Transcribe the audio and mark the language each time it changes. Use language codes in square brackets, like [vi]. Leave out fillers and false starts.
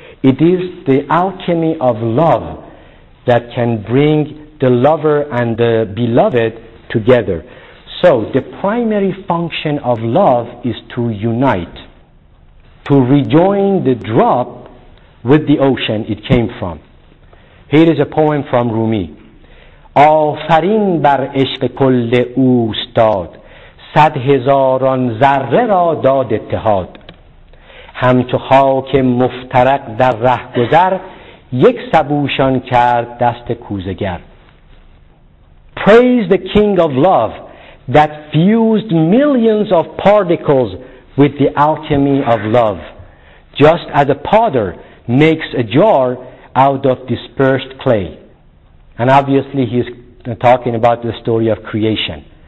[en] It is the alchemy of love that can bring the lover and the beloved together. So, the primary function of love is to unite, to rejoin the drop with the ocean it came from. Here is a poem from Rumi. [fa] آفرین بر عشق کل اوستاد صد هزاران ذره را داد اتحاد همچو خاک مفترق در ره گذر یک سبوشان کرد دست کوزگر. [en] Praise the king of love that fused millions of particles with the alchemy of love, just as a potter makes a jar out of dispersed clay. And obviously he's talking about the story of creation.